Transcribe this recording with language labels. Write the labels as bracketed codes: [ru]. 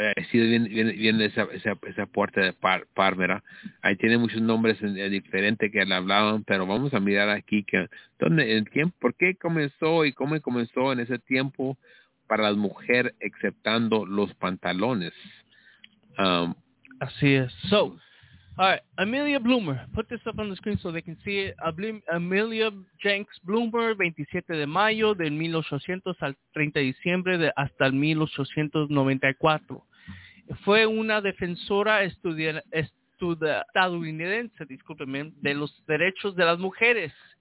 [es] Si viene esa puerta de par, ¿verdad? Ahí tiene muchos nombres diferentes que le hablaban, pero vamos a mirar aquí que dónde, el tiempo, ¿por qué comenzó y cómo comenzó en ese tiempo para las mujeres aceptando los pantalones? Así es. [en] So, all right, Amelia Bloomer, put this up on the screen so they can see it. [es] Amelia Jenks Bloomer, 27 de mayo de 1800 al 30 de diciembre de hasta el 1894. Fue una defensora estadounidense, discúlpeme, de los derechos de las mujeres.